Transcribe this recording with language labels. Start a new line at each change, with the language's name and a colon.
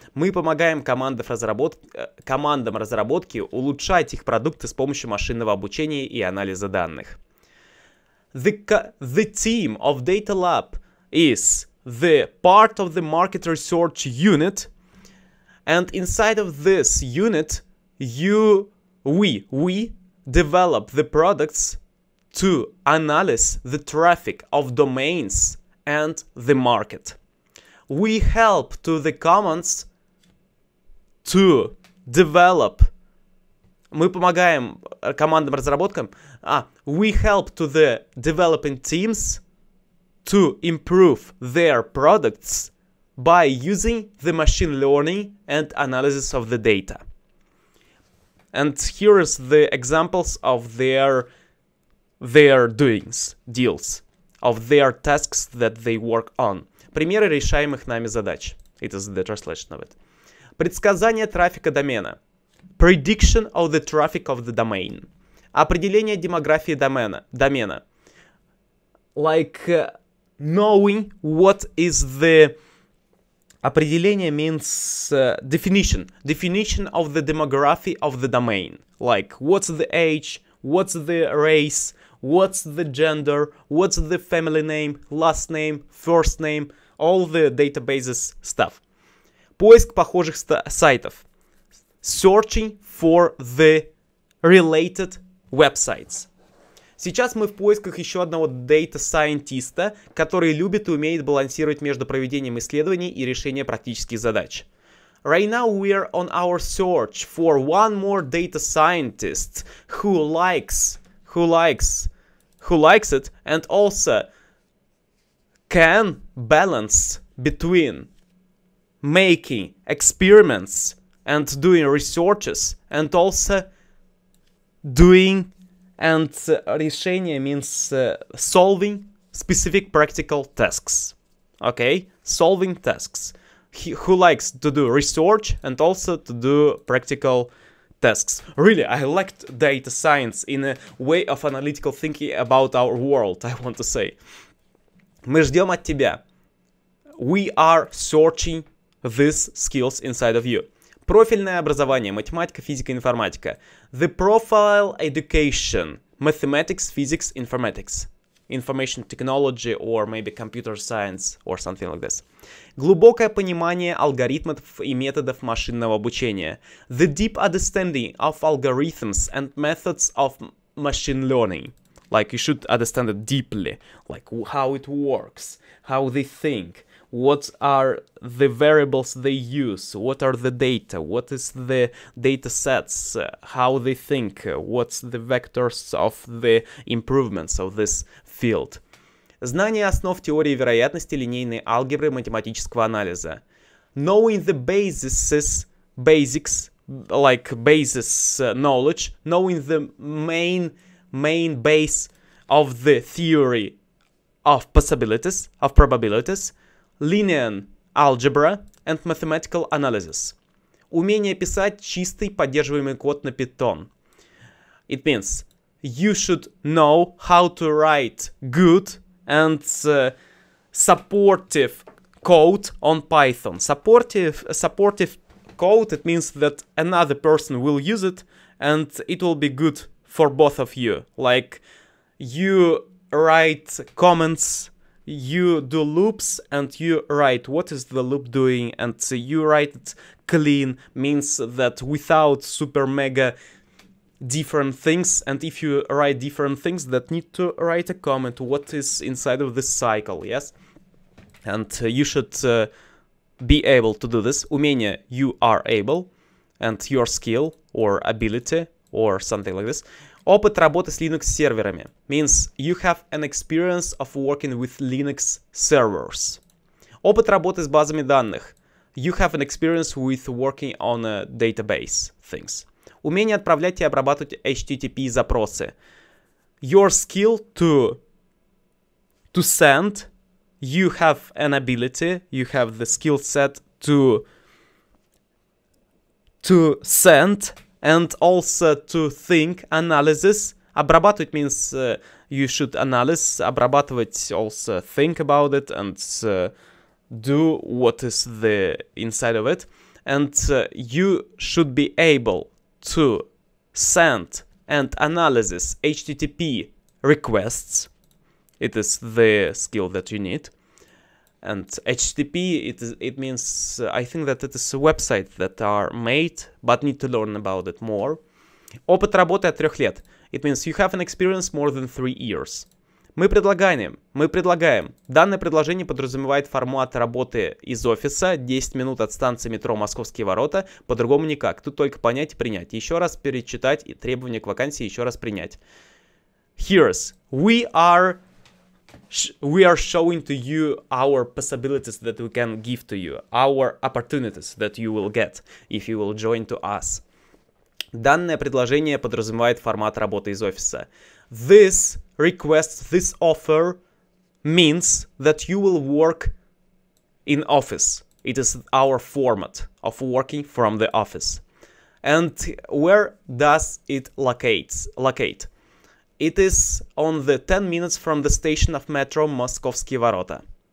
Russian: Мы помогаем командам разработки улучшать их продукты с помощью машинного обучения и анализа данных.
English: The team of Data Lab is the part of the Market Research Unit, and inside of this unit, we develop the products to analyze the traffic of domains and the market. We help to the commons to develop.
Russian: Мы помогаем командам разработкам.
English: We help to the developing teams to improve their products by using the machine learning and analysis of the data. And here is the examples of their doings, deals, of their tasks that they work on.
Russian: Примеры решаемых нами задач.
English: It is the translation of it.
Russian: Предсказание трафика домена.
English: Prediction of the traffic of the domain.
Russian: Определение демографии домена.
English: Like knowing what is the... Определение means definition. Definition of the demography of the domain. Like, what's the age, what's the race, what's the gender, what's the family name, last name, first name, all the databases stuff.
Russian: Поиск похожих сайтов.
English: Searching for the related websites.
Russian: Сейчас мы в поисках еще одного дата-сайентиста, который любит и умеет балансировать между проведением исследований и решением практических задач.
English: Right now we are on our search for one more data scientist who likes it and also can balance between making experiments and doing researches and also doing... And решение means solving specific practical tasks. Okay? Solving tasks. Who likes to do research and also to do practical tasks. Really, I liked data science in a way of analytical thinking about our world, I want to say.
Russian: Мы ждем от тебя.
English: We are searching these skills inside of you.
Russian: Профильное образование. Математика, физика, информатика.
English: The profile education. Mathematics, physics, informatics. Information technology or maybe computer science or something like this.
Russian: Глубокое понимание алгоритмов и методов машинного обучения.
English: The deep understanding of algorithms and methods of machine learning. Like you should understand it deeply. Like how it works. How they think. what are the variables they use, what are the data, what is the data sets, how they think, what's the vectors of the improvements of this field.
Russian: Знание основ теории вероятности, линейной алгебры, математического анализа.
English: Knowing the basics, like basis knowledge, knowing the main base of the theory of possibilities, of probabilities, linear algebra and mathematical analysis.
Russian: Умение писать чистый поддерживаемый код на Python.
English: It means you should know how to write good and supportive code on Python. Supportive code, it means that another person will use it and it will be good for both of you. Like you write comments, you do loops, and you write what is the loop doing, and you write it clean, means that without super mega different things, and if you write different things that need to write a comment, what is inside of this cycle, yes? And you should be able to do this. Умение, you are able, and your skill or ability or something like this.
Russian: Опыт работы с Linux серверами
English: means you have an experience of working with Linux servers.
Russian: Опыт работы с базами данных.
English: You have an experience with working on a database things.
Russian: Умение отправлять и обрабатывать HTTP запросы.
English: Your skill to send. You have an ability, you have the skill set to send and also to think, analysis. Обрабатывать means you should analyze, обрабатывать also think about it and do what is the inside of it. And you should be able to send and analyze HTTP requests. It is the skill that you need. And HTTP, it means, I think that it is a website that are made, but need to learn about it more.
Russian: Опыт работы от 3 лет.
English: It means you have an experience more than 3 years.
Russian: Мы предлагаем. Данное предложение подразумевает формат работы из офиса, 10 минут от станции метро Московские ворота, по-другому никак. Тут только понять и принять. Еще раз перечитать и требования к вакансии еще раз принять.
English: Here's, we are showing to you our possibilities that we can give to you, our opportunities that you will get if you will join to us.
Russian: Данное предложение подразумевает формат работы из офиса.
English: This request, this offer means that you will work in office. It is our format of working from the office. And where does it locate? It is on the 10 minutes from the station of metro Московские ворота.